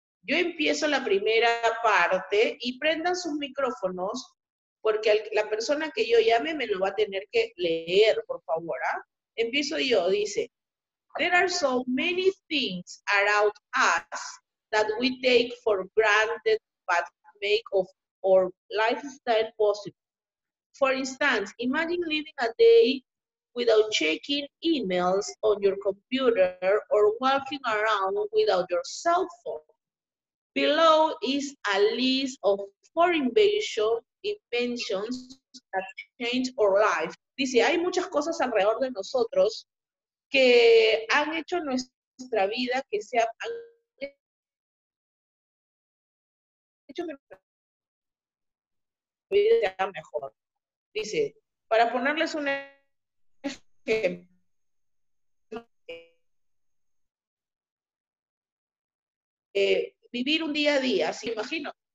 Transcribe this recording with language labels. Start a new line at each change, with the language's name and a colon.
Spanish: Yo empiezo la primera parte y prendan sus micrófonos porque la persona que yo llame me lo va a tener que leer, por favor. ¿Eh? Empiezo yo, dice.
English: There are so many things around us that we take for granted but make of our lifestyle possible. For instance, imagine living a day without checking emails on your computer or walking around without your cell phone. Below is a list of four inventions that change our life.
Spanish: Dice, hay muchas cosas alrededor de nosotros que han hecho nuestra vida que sea mejor. Dice, para ponerles un ejemplo, vivir un día a día, ¿sí? Imagino.